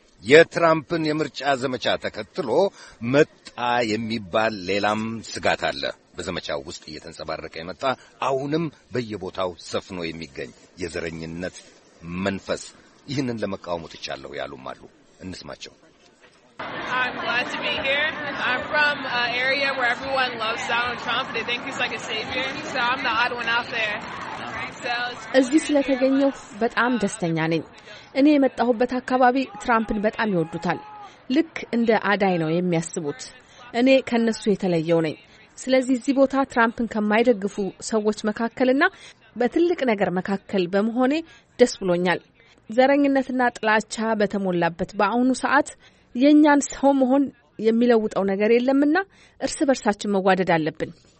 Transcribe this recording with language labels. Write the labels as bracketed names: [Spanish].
[Amharic] የትራምፕን የምርጫ ዘመቻ ተከትሎ መጣ የሚባል ሌላም ስጋት አለ። በዘመቻው ውስጥ እየተንጸባረቀ የመጣ አሁንም በየቦታው ሰፍኖ የሚገኝ የዘረኝነት መንፈስ፣ ይህንን ለመቃወም ተቻለው ያሉም አሉ። እንስማቸው። [English] I'm glad to be here. I'm from an area where everyone loves Donald Trump. They think he's like a savior. So I'm the odd one out there. [Amharic] እዚህ ስለተገኘው በጣም ደስተኛ ነኝ። እኔ የመጣሁበት አካባቢ ትራምፕን በጣም ይወዱታል። ልክ እንደ አዳይ ነው የሚያስቡት። እኔ ከነሱ የተለየው ነኝ። ስለዚህ እዚህ ቦታ ትራምፕን ከማይደግፉ ሰዎች መካከልና በትልቅ ነገር መካከል በመሆኔ ደስ ብሎኛል። ዘረኝነትና ጥላቻ በተሞላበት በአሁኑ ሰዓት የኛን ሰው መሆን የሚለውጠው ነገር የለምና እርስ በርሳችን መዋደድ አለብን።